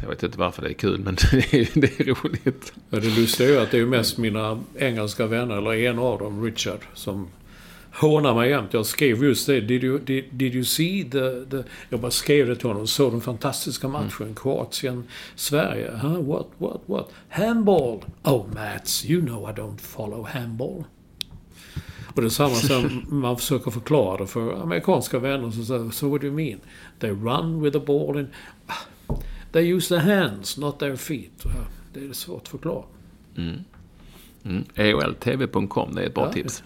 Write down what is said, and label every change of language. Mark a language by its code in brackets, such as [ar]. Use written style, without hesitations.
[sv] Jag vet inte varför det är kul, men det är roligt. Ja, det lustiga är ju att det är mest mina engelska vänner, eller en av dem, Richard, som hånar mig jämt. Jag skrev just det. [en] Did you see the... [sv] Jag bara skrev det till honom. Såg den fantastiska matchen. [en] Kroatien, Sverige. Huh? What? Handball. Oh, Mats, you know I don't follow handball. [sv] Och det är samma som man försöker förklara det för amerikanska vänner. Så säger, [en] so what do you mean? They run with the ball. They use their hands, not their feet. [sv] Det är svårt att förklara. AOLTV.com, det är ett bra tips.